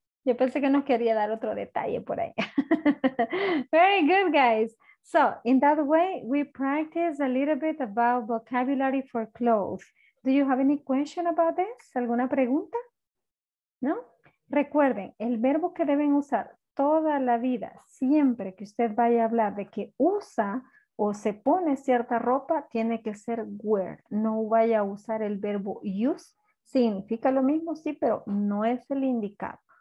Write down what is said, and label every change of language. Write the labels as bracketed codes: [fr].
[es] Yo pensé que nos quería dar otro detalle por ahí. [en] Very good, guys. So, in that way, we practice a little bit about vocabulary for clothes. Do you have any question about this? [es] ¿Alguna pregunta? [en] No? [es] Recuerden, el verbo que deben usar toda la vida, siempre que usted vaya a hablar de que usa o se pone cierta ropa, tiene que ser wear. No vaya a usar el verbo use. Significa lo mismo, sí, pero no es el indicado.